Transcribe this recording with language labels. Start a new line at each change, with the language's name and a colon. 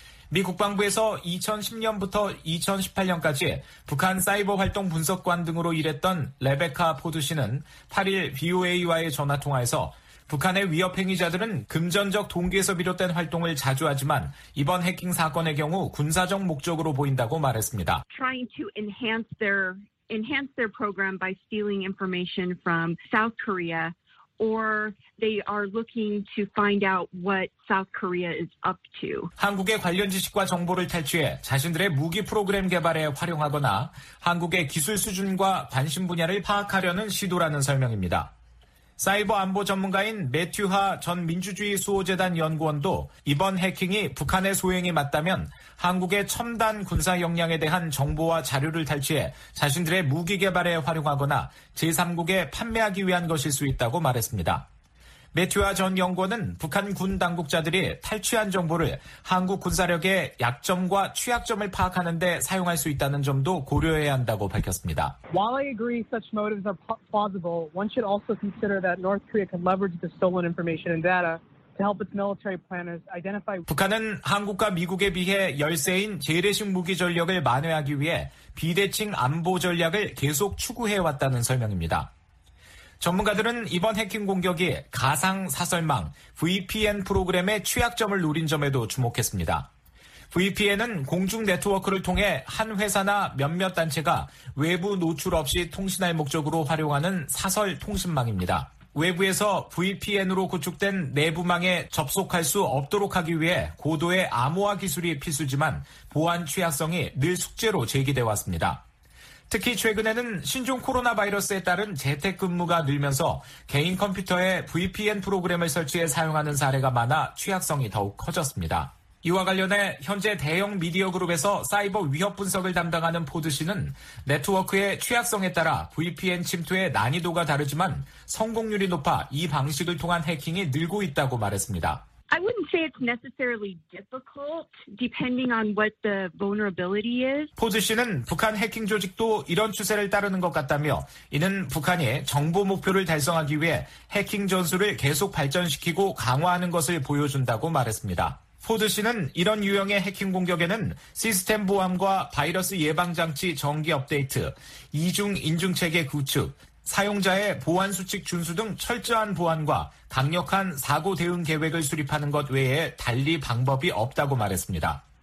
Korean: 미 국방부에서 2010년부터 2018년까지 북한 사이버 활동 분석관 등으로 일했던 레베카 포드 씨는 8일 VOA와의 전화통화에서 북한의 위협 행위자들은 금전적 동기에서 비롯된 활동을 자주 하지만 이번 해킹 사건의 경우 군사적 목적으로 보인다고 말했습니다.
English: Trying to enhance their program by stealing information from South Korea, or they are looking to find out what South Korea is up to.
Korean: 한국의 관련 지식과 정보를 탈취해 자신들의 무기 프로그램 개발에 활용하거나 한국의 기술 수준과 관심 분야를 파악하려는 시도라는 설명입니다. 사이버 안보 전문가인 매튜하 전 민주주의 수호재단 연구원도 이번 해킹이 북한의 소행이 맞다면 한국의 첨단 군사 역량에 대한 정보와 자료를 탈취해 자신들의 무기 개발에 활용하거나 제3국에 판매하기 위한 것일 수 있다고 말했습니다. 매튜하 전 연구원은 북한 군 당국자들이 탈취한 정보를 한국 군사력의 약점과 취약점을 파악하는 데 사용할 수 있다는 점도 고려해야 한다고 밝혔습니다.
English: While I agree such motives are plausible, one should also consider that North Korea can leverage the stolen information and data to help its military planners identify.
Korean: 북한은 한국과 미국에 비해 열세인 재래식 무기 전력을 만회하기 위해 비대칭 안보 전략을 계속 추구해왔다는 설명입니다. 전문가들은 이번 해킹 공격이 가상 사설망 VPN 프로그램의 취약점을 노린 점에도 주목했습니다. VPN은 공중 네트워크를 통해 한 회사나 몇몇 단체가 외부 노출 없이 통신할 목적으로 활용하는 사설 통신망입니다. 외부에서 VPN으로 구축된 내부망에 접속할 수 없도록 하기 위해 고도의 암호화 기술이 필수지만 보안 취약성이 늘 숙제로 제기돼 왔습니다. 특히 최근에는 신종 코로나 바이러스에 따른 재택근무가 늘면서 개인 컴퓨터에 VPN 프로그램을 설치해 사용하는 사례가 많아 취약성이 더욱 커졌습니다. 이와 관련해 현재 대형 미디어 그룹에서 사이버 위협 분석을 담당하는 포드 씨는 네트워크의 취약성에 따라 VPN 침투의 난이도가 다르지만 성공률이 높아 이 방식을 통한 해킹이 늘고 있다고 말했습니다.
English: I wouldn't say it's necessarily difficult, depending on what the vulnerability is.
Korean: 포드 씨는 북한 해킹 조직도 이런 추세를 따르는 것 같다며, 이는 북한이 정보 목표를 달성하기 위해 해킹 전술을 계속 발전시키고 강화하는 것을 보여준다고 말했습니다. 포드 씨는 이런 유형의 해킹 공격에는 시스템 보안과 바이러스 예방 장치 정기 업데이트, 이중 인증 체계 구축, 사용자의 보안 수칙 준수 등 철저한 보안과 강력한 사고 대응 계획을 수립하는 것 외에 달리 방법이 없다고 말했습니다.